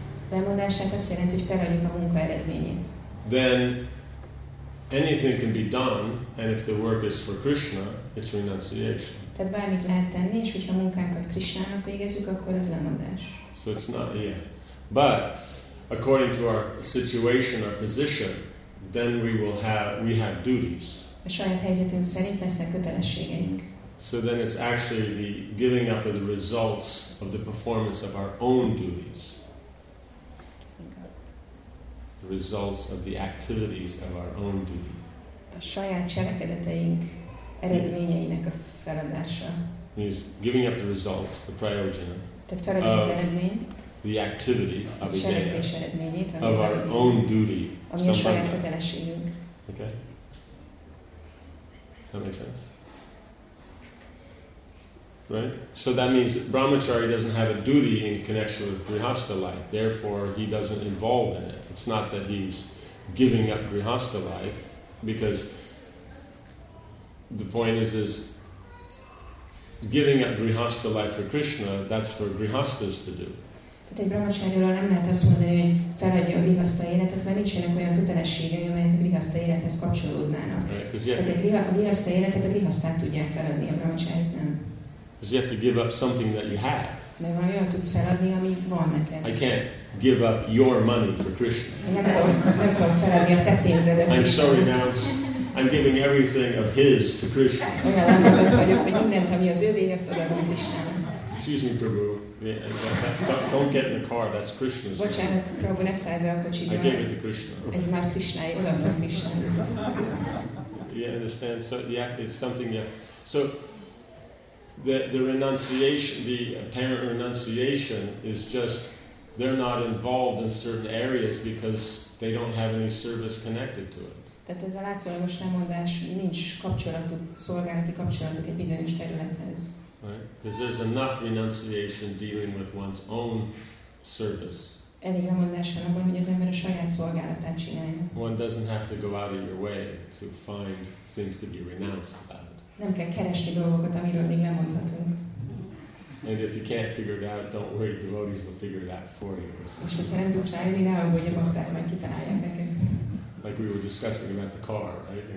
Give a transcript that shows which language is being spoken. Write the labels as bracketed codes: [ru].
[en] Then anything can be done, and if the work is for Krishna, it's renunciation. So it's not, yeah. But according to our situation, our position, then we have duties. [hu] A saját helyzetünk szerint lesznek kötelességeink. [en] So then it's actually the giving up of the results of the performance of our own duties. The results of the activities of our own duty. [hu] A saját cselekedeteink eredményeinek a feladása. [en] Means giving up the results, the prayojana, [hu] tehát feladni az eredményt, [en] the activity of a day, of our own duty, [hu] ami a saját kötelességünk. [en] Okay? That makes sense? Right? So that means that Brahmachari doesn't have a duty in connection with Grihastha life. Therefore, he doesn't involve in it. It's not that he's giving up Grihastha life, because the point is giving up Grihastha life for Krishna, that's for Grihasthas to do. [hu] Tehát egy Brahmachariról nem lehet azt mondani, hogy feladja a Grihastha életet, mert nincsenek olyan kötelességei, amelyek a Grihastha élethez kapcsolódnának. [en] Right, yeah, [hu] tehát a Grihastha életet a Grihasthák tudják feladni, a Brahmacharit nem. [en] Because you have to give up something that you have. [hu] Mert van olyan, tudsz feladni, ami van neked. [en] I can't give up your money for Krishna. [hu] Nem tudom feladni a te pénzedet. [en] I'm sorry, now I'm giving everything of his to Krishna. [hu] Olyan állapot vagyok, hogy mindent, ami az övé, azt adom Krishna. [en] Excuse me, Prabhu. Yeah, don't get in the car. That's Krishna's. [hu] Bocsánat, Prabhu, ne szállj be a kocsiba. [en] I gave it to Krishna. [hu] Ez már Krishna-i, odaadtam Krishna. [en] You understand? So yeah, it's something you have. So the apparent renunciation is just they're not involved in certain areas because they don't have any service connected to it. [hu] Tehát ez a látszólagos lemondás, nincs kapcsolatuk, szolgálati kapcsolatuk egy bizonyos területhez. [en] Right? Because there's enough renunciation dealing with one's own service. [hu] Elég lemondás van abban, hogy az ember a saját szolgálatát csinálja. [en] One doesn't have to go out of your way to find things to be renounced about. [hu] Nem kell keresni dolgokat, amiről még lemondhatunk. [en] And if you can't figure it out, don't worry, devotees will figure it out for you. [hu] És hogyha nem tudsz rájönni, ne aggódj, a bhaktát majd kitalálják neked. [en] Like we were discussing about the car, right?